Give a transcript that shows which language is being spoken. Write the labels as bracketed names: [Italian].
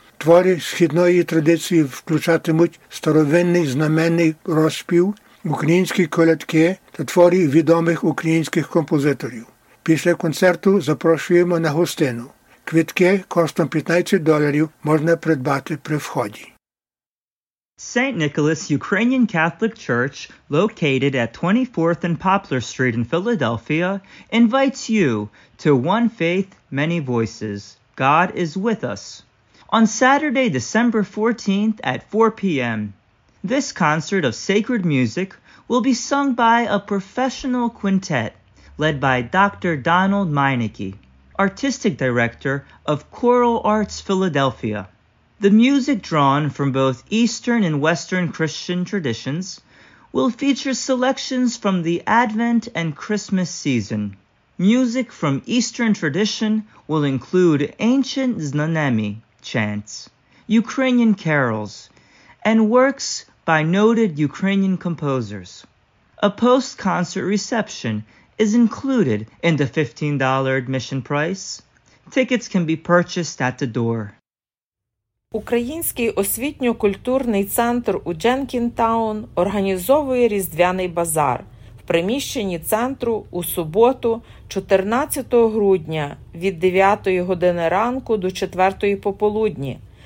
[Ukrainian] Твори східної традиції включатимуть старовинний знаменний розпів, українські колядки та твори відомих українських композиторів. Після концерту запрошуємо на гостину. Квитки коштом $15 можна придбати при вході. [English] St. Nicholas Ukrainian Catholic Church, located at 24th and Poplar Street in Philadelphia, invites you to One Faith, Many Voices. God is with us. On Saturday, December 14th at 4 p.m., This concert of sacred music will be sung by a professional quintet led by Dr. Donald Meinecke, Artistic Director of Choral Arts Philadelphia. The music drawn from both Eastern and Western Christian traditions will feature selections from the Advent and Christmas season. Music from Eastern tradition will include ancient Znanemi chants, Ukrainian carols, and works by noted Ukrainian composers. A post-concert reception is included in the $15 admission price. Tickets can be purchased at the door. [Ukrainian] Український освітньо-культурний центр у Дженкінтаун організовує Різдвяний базар в приміщенні центру у суботу 14 грудня від 9 години ранку до 4 пополудні.